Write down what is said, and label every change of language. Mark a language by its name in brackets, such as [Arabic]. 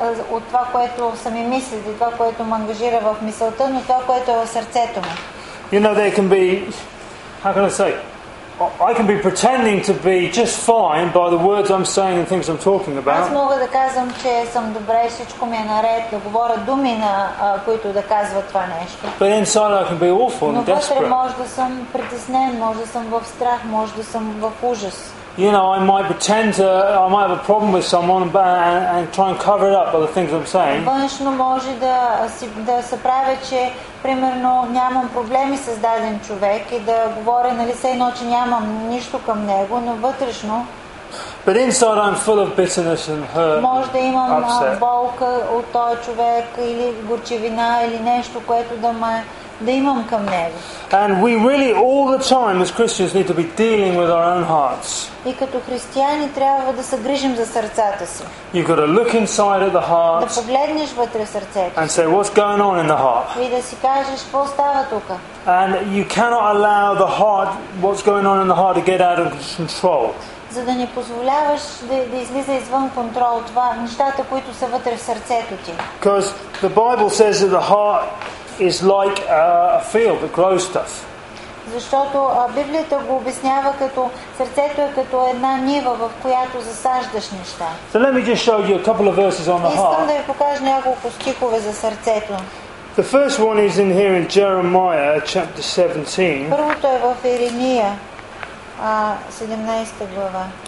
[Bulgarian] От това, което сами мислят, и това, което ме ангажира в мисълта, но това, което е в сърцето ми. [English] You know, there can be, how can I say, I can be pretending to be just fine by the words I'm saying and things I'm talking about. [Bulgarian] Аз мога да казвам, че съм добре, всичко ми е наред, да говоря думи, на които да казва това нещо. [English] But inside I can be awful and desperate. [Bulgarian] Но вътре може да съм притеснен, може да съм в страх, може да съм в ужас. [English] You know, I might pretend to, I might have a problem with someone and try and cover it up by the things I'm saying. [Bulgarian] Външно може да се прави, че примерно нямам проблеми с даден човек и да говоря, нали, все едно, че нямам нищо към него, но вътрешно. [English] But inside I'm full of bitterness and hurt. [Bulgarian] Може да имам болка от този човек или горчивина или нещо, което да ме да имам към него. [English] And we really all the time as Christians need to be dealing with our own hearts. [Bulgarian] И като християни трябва да се грижим за сърцата си. [English] You got to look inside of the heart. [Bulgarian] Да погледнеш вътре сърцето. [English] And say what's going on in the heart. [Bulgarian] И да си кажеш какво става тук. [English] And you cannot allow the heart, what's going on in the heart, to get out of control. [Bulgarian] За да не позволяваш да излиза извън контрол това нещата, които са вътре в сърцето ти. [English] Because the Bible says that the heart is like a field that grows stuff. [Bulgarian] Защото Библията го обяснява като сърцето е като една нива, в която засаждаш неща. [English] So let me just show you a couple of verses on the heart. [Bulgarian] Искам да ви покажа няколко стихове за сърцето. [English] The first one is in here in Jeremiah chapter 17. [Bulgarian] Първото е в Иеремия 17 глава.